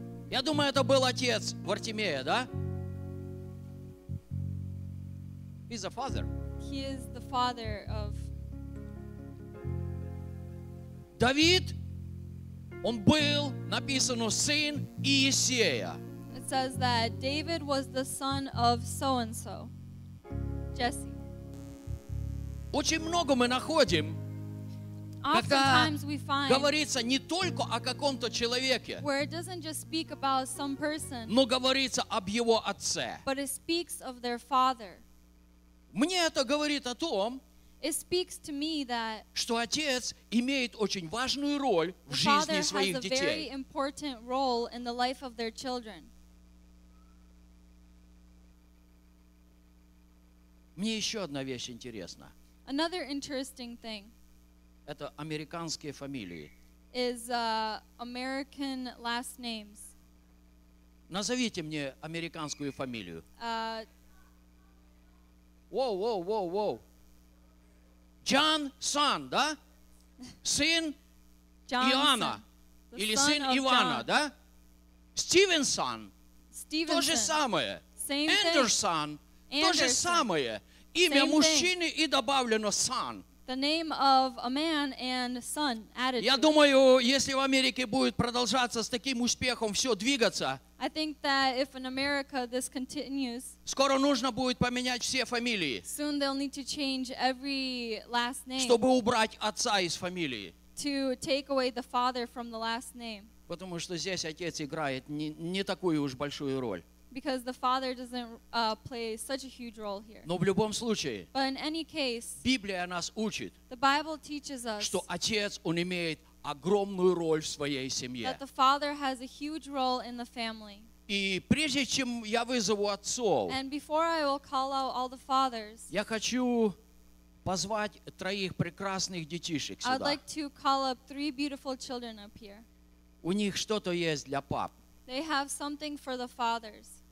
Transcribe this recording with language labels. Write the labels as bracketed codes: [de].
[ru] Я думаю, это был отец Вартимея, да? [en] He's a father. He is the father of David. [ru] Он был, написано, сын Иессея. [en] It says that David was the son of so and so. Jesse. [ru] Очень много мы находим. [en] Oftentimes we find [ru] говорится не только о каком-то человеке, [en] where it doesn't just speak about some person, [ru] но говорится об его отце. [en] But it speaks of their father. [ru] Мне это говорит о том, [en] it speaks to me that [ru] что отец имеет очень важную роль в жизни своих детей. [en] The father has a very important role in the life of their children. [ru] Мне еще одна вещь интересна. [en] Another interesting thing. [ru] Это американские фамилии. [en] Is American last names. [ru] Назовите мне американскую фамилию. John Son, да? Сын Иоанна. Или сын Ивана, да? Stevenson. То же самое. [en] Same Anderson. Anderson. [ru] То же самое. имя мужчины и добавлено son. [en] The name of a man and son added. [ru] Я думаю, если в Америке будет продолжаться с таким успехом все двигаться, [en] I think that if in America this continues, [ru] скоро нужно будет поменять все фамилии. [en] Soon they'll need to change every last name. [ru] Чтобы убрать отца из фамилии. [en] To take away the father from the last name. [ru] Потому что здесь отец играет не такую уж большую роль. [en] Because the father doesn't play such a huge role here. [ru] Но в любом случае. [en] But in any case. [ru] Библия нас учит. [en] The Bible teaches us. [ru] Что отец он имеет огромную роль в своей семье. [en] That the father has a huge role in the family. [ru] И прежде чем я вызову отцов. [en] And before I will call out all the fathers. [ru] Я хочу позвать троих прекрасных детишек сюда. [en] I'd like to call up three beautiful children up here. [ru] У них что-то есть для пап. [en] They have something for the fathers.